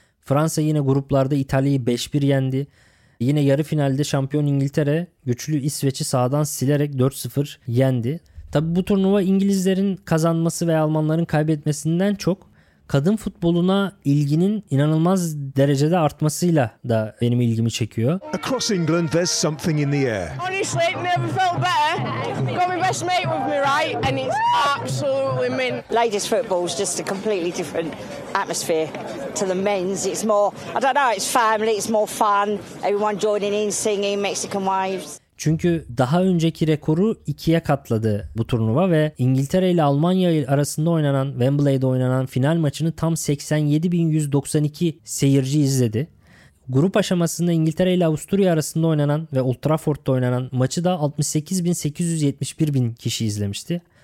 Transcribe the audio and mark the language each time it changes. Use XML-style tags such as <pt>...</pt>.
<tr>Fransa yine gruplarda İtalya'yı 5-1 yendi. Yine yarı finalde şampiyon İngiltere güçlü İsveç'i sahadan silerek 4-0 yendi. Tabi bu turnuva İngilizlerin kazanması ve Almanların kaybetmesinden çok kadın futboluna ilginin inanılmaz derecede artmasıyla da benim ilgimi çekiyor.</tr> <en>Across England there's something in the air. Honestly, never felt better. Got my best mate with me, right? And it's absolutely mint. Ladies football is just a completely different atmosphere to the men's. It's more, I don't know, it's family, it's more fun. Everyone joining in, singing, Mexican waves.</en> <tr>Çünkü daha önceki rekoru 2'ye katladı bu turnuva ve İngiltere ile Almanya arasında oynanan Wembley'de oynanan final maçını tam 87.192 seyirci izledi. Grup aşamasında İngiltere ile Avusturya arasında oynanan ve Old Trafford'da oynanan maçı da 68.871.000 kişi izlemişti.</tr>